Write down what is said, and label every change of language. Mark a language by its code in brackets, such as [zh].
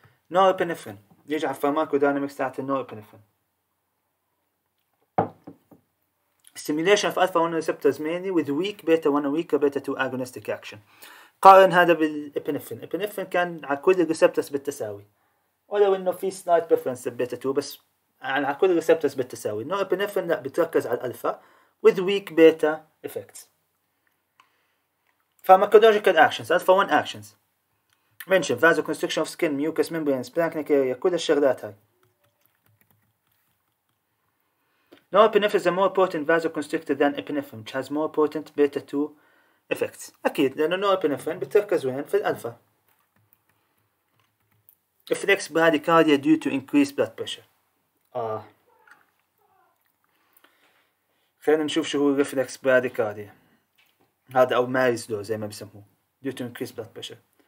[ar] نورابينفرين يجي على فارماكودينامكس تاعت النورابينفرين. [en] Stimulation of alpha 1 receptors mainly with weak beta 1 and weaker beta 2 agonistic action. [ar] قارن هذا بالابينفرين. الابينفرين كان على كل الريسبتورز بالتساوي ولو انه في سلايت بريفرنس بالبيتا 2 بس على كل الريسبتورز بالتساوي. النورابينفرين لا بتركز على الالفا [en] with weak beta effects. Pharmacological actions alpha 1 actions mention vasoconstriction of skin, mucous membranes, splanchnic area, [ar] كل الشغلات هاي. [en] Norepinephrine is a more potent vasoconstrictor than epinephrine, which has more potent beta 2 effects. [ar] أكيد لأن norepinephrine بتركز وين في الألفا. [en] Effects bradycardia due to increased blood pressure. [ar] خلينا نشوف شو هو reflex bradycardia. هذا أو Mary's law زي ما بسموه. [en] Due to increased blood pressure.